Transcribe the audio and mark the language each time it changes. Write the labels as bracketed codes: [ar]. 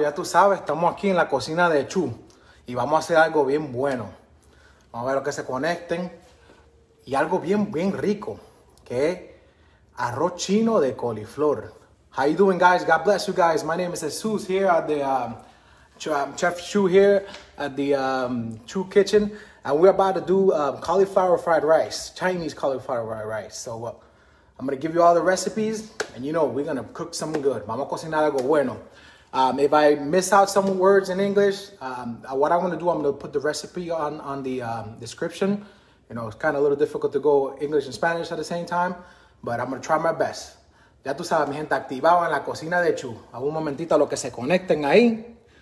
[es] Ya tú sabes, estamos aquí en la cocina de Chu y vamos a hacer algo bien bueno. Vamos a ver lo que se conecten. Y algo bien, bien rico, que es arroz chino de coliflor. [en] How you doing, guys? God bless you guys. My name is Jesus here at the Chef Chu here at the Chu Kitchen. And we're about to do cauliflower fried rice, Chinese cauliflower fried rice. So, I'm going to give you all the recipes, and you know, we're going to cook something good. [es] Vamos a cocinar algo bueno. [en] If I miss out some words in English, what I'm going to do, I'm going to put the recipe on the description. You know, it's kind of a little difficult to go English and Spanish at the same time, but I'm going to try my best. [es] Ya tú sabes, mi gente, activado en la cocina de Chu. A un momentito a lo que se conecten ahí.